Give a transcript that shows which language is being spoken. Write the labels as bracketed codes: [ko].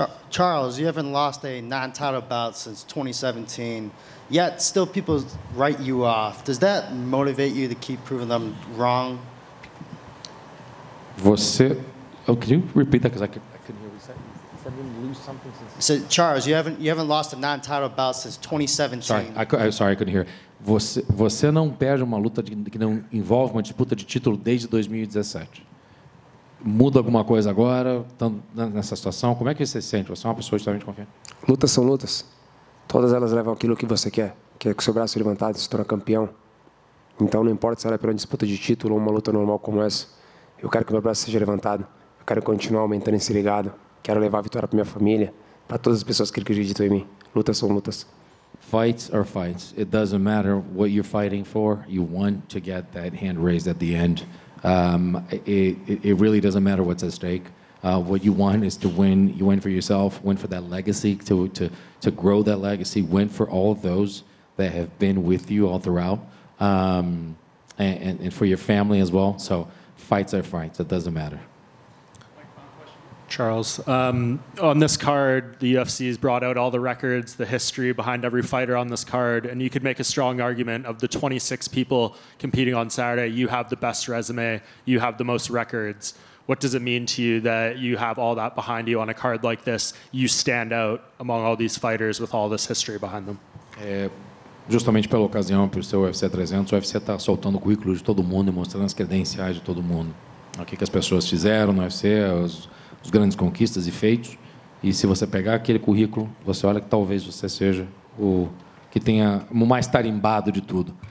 [en] Charles, you haven't lost a non-title bout since 2017, yet still people write you off. Does that motivate you to keep proving them wrong? Can you repeat that? Because I couldn't hear what you said. So, Charles, you haven't lost a non-title bout since 2017. Sorry, I couldn't hear. [pt] Você não perde uma luta que não envolve uma disputa de título desde 2017. Muda alguma coisa agora, nessa situação? Como é que você se sente? Você é uma pessoa extremamente confiante? Lutas são lutas. Todas elas levam aquilo que você quer. Quer que o seu braço levantado se torne campeão. Então, não importa se ela é pela disputa de título ou uma luta normal como essa. Eu quero que o meu braço seja levantado. Eu quero continuar aumentando esse legado. Quero levar a vitória para minha família, para todas as pessoas que acreditam em mim. Lutas são lutas. [en] Fights are fights. It doesn't matter what you're fighting for. You want to get that hand raised at the end. It really doesn't matter what's at stake. What you want is to win. You win for yourself, win for that legacy, to grow that legacy, win for all of those that have been with you all throughout, and for your family as well. So fights are fights. It doesn't matter. Charles, on this card, the UFC has brought out all the records, the history behind every fighter on this card, and you could make a strong argument of the 26 people competing on Saturday, you have the best resume, you have the most records. What does it mean to you that you have all that behind you on a card like this? You stand out among all these fighters with all this history behind them. [pt] Justamente pela ocasião, por ser o UFC 300, o UFC está soltando o currículo de todo mundo e mostrando as credenciais de todo mundo. O que as pessoas fizeram no UFC, os grandes conquistas e feitos, e se você pegar aquele currículo, você olha que talvez você seja o que tenha o mais tarimbado de tudo.